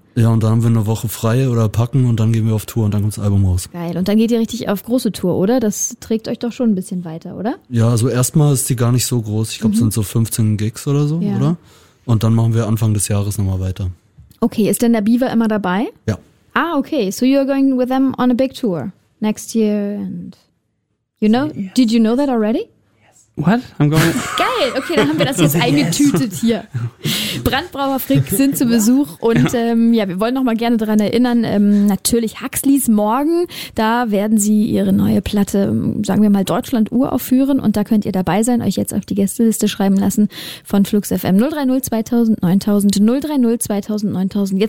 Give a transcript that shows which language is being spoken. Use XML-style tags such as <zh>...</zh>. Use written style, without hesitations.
<de>Ja, und dann haben wir eine Woche frei oder packen und dann gehen wir auf Tour und dann kommt das Album raus. Geil, und dann geht ihr richtig auf große Tour, oder? Das trägt euch doch schon ein bisschen weiter, oder? Ja, also erstmal ist die gar nicht so groß. Ich glaube, es sind so 15 Gigs oder so, oder? Und dann machen wir Anfang des Jahres nochmal weiter. Okay, ist denn der Beaver immer dabei? Ja.</de> <en>Ah, okay, so you're going with them on a big tour next year and you know, did you know that already? What? I'm going.</en> <de>Geil. Okay, dann haben wir das jetzt eingetütet hier. Brandbrauer Frick sind zu Besuch und wir wollen noch mal gerne daran erinnern. Natürlich Huxleys morgen. Da werden sie ihre neue Platte, sagen wir mal Deutschland-Uhr aufführen und da könnt ihr dabei sein. Euch jetzt auf die Gästeliste schreiben lassen von Flux FM 030 2000 9000 030 2000 9000.</de>